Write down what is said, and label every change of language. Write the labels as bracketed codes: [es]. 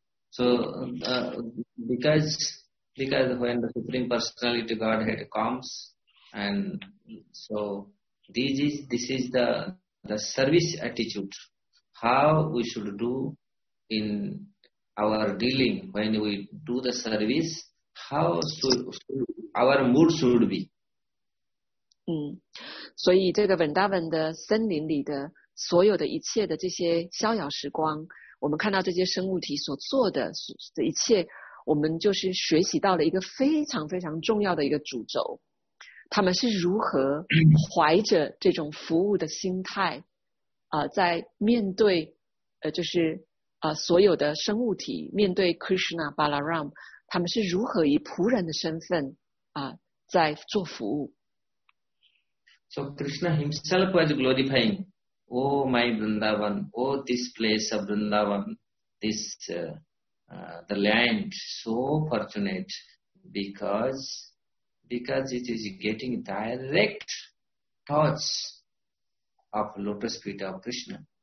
[en] So because when the Supreme Personality Godhead comes and so this is the service attitude how we should do in our dealing when we do the service how our mood should be [zh] 所以这个 Vrindavan 的森林里的所有的一切的这些逍遥时光，我们看到这些生物体所做的一切，我们就是学习到了一个非常非常重要的一个主轴，他们是如何怀着这种服务的心态在面对就是所有的生物体，面对 Krishna Balaram， 他们是如何以仆人的身份在做服务。 [en] So Krishna himself was glorifying, Oh my Vrindavan, Oh this place of Vrindavan, this the land so fortunate because it is getting direct touch of lotus feet of Krishna.